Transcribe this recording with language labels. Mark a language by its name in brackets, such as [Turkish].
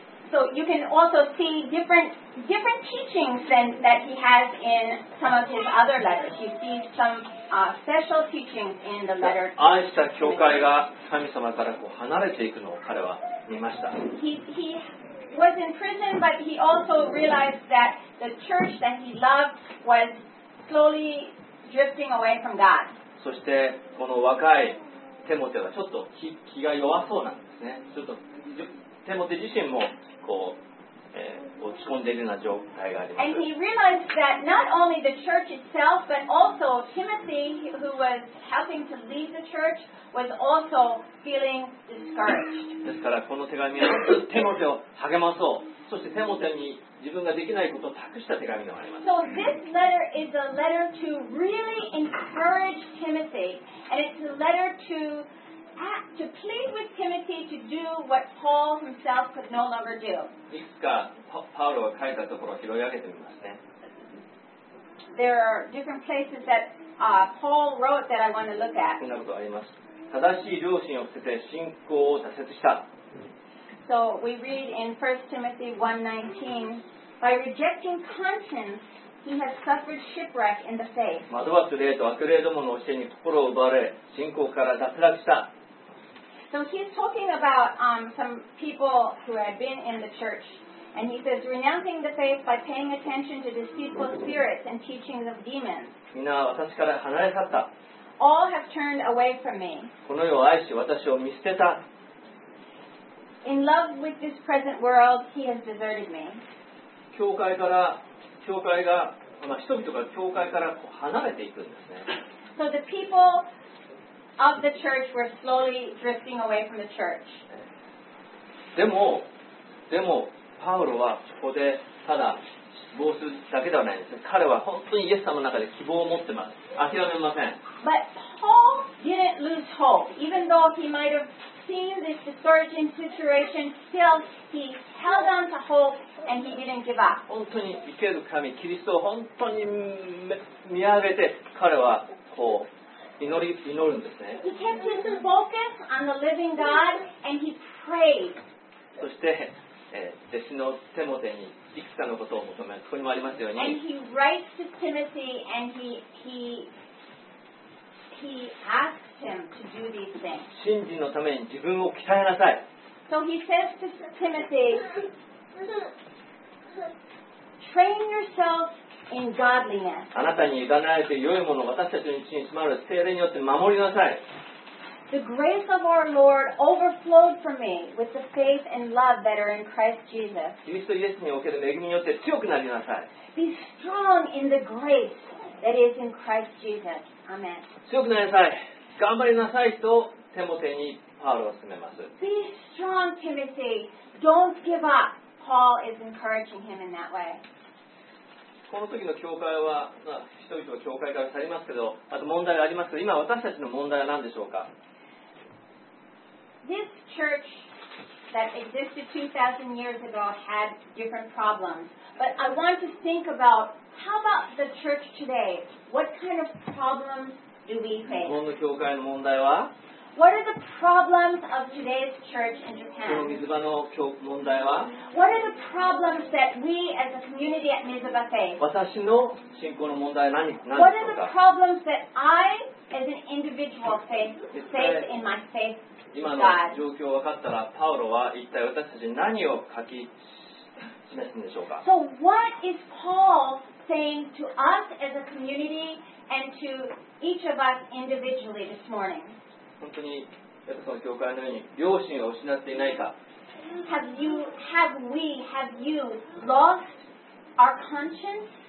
[English] So you can also see different teachings that he has in some of his other letters. You see some. Special teachings in the letter. [Japanese] 愛した教会が神様からこう離れていくのを彼は見ました。 [English] He was in prison, but he also realized that the church that he loved was slowly drifting away from God. [Japanese] そしてこの若いテモテはちょっと気が弱そうなんですね。ちょっとテモテ自身もこう。 [English] And he realized that not only the church itself, but also Timothy, who was helping to lead the church, was also feeling discouraged. [Japanese] ですからこの手紙はテモテを励まそう。そしてテモテに自分ができないことを託した手紙でもあります。 [English] So this letter is a letter to really encourage Timothy, and it's a letter to plead with Timothy to do what Paul himself could no longer do. [Japanese] いくつかパウロが書いたところを拾い上げてみますね。 [English] There are different places that Paul wrote that I want to look at. [Japanese] こんなことあります。正しい良心を捨てて信仰を挫折した。 [English] So we read in 1 Timothy 1:19, by rejecting conscience, he has suffered shipwreck in the faith. [Japanese] 惑わす霊と悪霊どもの教えに心を奪われ、信仰から脱落した。 [English] So he's talking about some people who had been in the church. And he says, renouncing the faith by paying attention to deceitful spirits and teachings of demons. [Japanese] みんな私から離れ去った。 [English] All have turned away from me. [Japanese] この世を愛し私を見捨てた。 [English] In love with this present world, he has deserted me. [Japanese] 教会から、教会が、まあ、人々が教会からこう離れていくんですね。 [English] So the peopleOf the church, we're slowly drifting away from the church. [Japanese] でも、パウロはここでただ失望するだけではないです。彼は本当にイエス様の中で希望を持ってます。諦めません。 [English] But Paul didn't lose hope. Even though he might have seen this discouraging situation, still he held on to hope and he didn't give up. [Japanese] 本当に生きる神、キリストを本当に見上げて、彼はこう、祈るんですね。 [English] He kept his focus on the living God and he prayed. [Japanese] そして、弟子のテモテにいくつかのことを求めます。ここにもありますように。 [English] And he writes to Timothy and he asks him to do these things. [Japanese] 信心のために自分を鍛えなさい。 [English] So he says to Timothy, train yourself. In godliness. [Japanese] あなたに委ねられて良いものを私たちの地に住まる聖霊によって守りなさい。 [English] The grace of our Lord overflowed for me with the faith and love that are in Christ Jesus. [Japanese] キリストイエスにおける恵みによって強くなりなさい。 [English] Be strong in the grace that is in Christ Jesus. Amen. [Japanese] 強くなりなさい。頑張りなさいとテモテにパウロを勧めます。 [English] Be strong, Timothy. Don't give up. Paul is encouraging him in that way. [Japanese] この時の教会は、まあ、人々は教会から去りますけど、あと問題がありますけど、今私たちの問題は何でしょうか。 [English] This church that existed 2,000 years ago had different problems. But I want to think about, how about the church today? What kind of problems do we face? [Japanese] 日本の教会の問題は? [English] What are the problems of today's church in Japan? [Japanese] この水場の問題は? [English] What are the problems that we as a community at Mizuba face? [Japanese] 私の信仰の問題は何ですか? [English] What are the problems that I as an individual face in my faith? [Japanese] 今の状況を分かったら、パウロは一体私たちに何を書き示すんでしょうか? [English] So what is Paul saying to us as a community and to each of us individually this morning? [Japanese] 本当にエペソの教会のように良心を失っていないか? [English] Have you lost our conscience?